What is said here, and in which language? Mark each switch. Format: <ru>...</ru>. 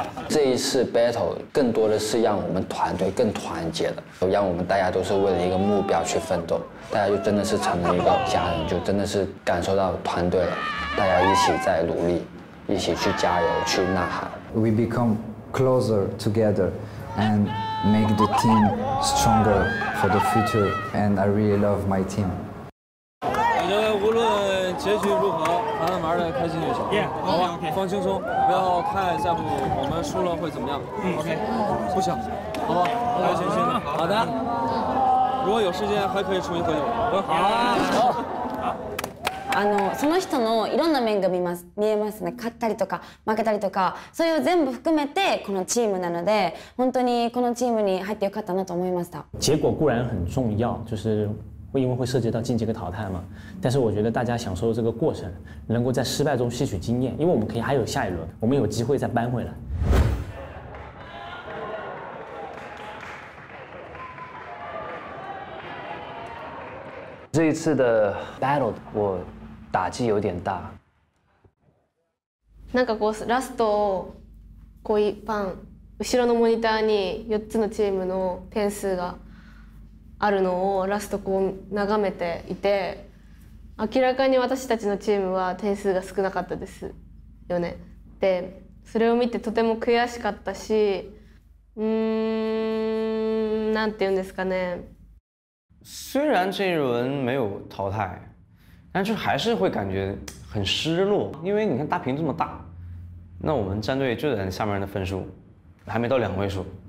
<zh>这一次 battle 更多的是让我们团队更团结的，让我们大家都是为了一个目标去奋斗，大家就真的是成了一个家人，就真的是感受到团队了，大家一起在努力。一起去加油，去呐喊。</zh> <en>We become closer together, and make the team stronger for the future. And I really love my team.</en> <zh>我觉得无论结局如何，咱们玩的开心就行。</zh> <en>Yeah,</en> <zh>好吧， okay. 放轻松，不要太在乎我们输了会怎么样。</zh> <en>OK，</en> <zh>不想。好不好？还有全新的。好的。如果有时间，还可以重新喝酒。好。</zh> <ja>その人のいろんな面が見えますね。勝ったりとか負けたりとか、そういう全部含めてこのチームなので、本当にこのチームに入ってよかったなと思いました。</ja> <zh>结果固然很重要，就是因为会涉及到晋级和淘汰嘛。但是我觉得大家享受这个过程，能够在失败中吸取经验，因为我们可以还有下一轮，我们有机会再扳回来。这一次的 battle 我打击有点大。</zh> <ja>なんかこうラストこういっぱん後ろのモニターに4つのチームの点数があるのをラストこう眺めていて、明らかに私たちのチームは点数が少なかったですよね。でそれを見てとても悔しかったし、なんて言うんですかね。</ja> <zh>虽然这一轮没有淘汰，但是还是会感觉很失落，因为你看大屏这么大，那我们战队就在下面的分数，还没到两位数。</zh>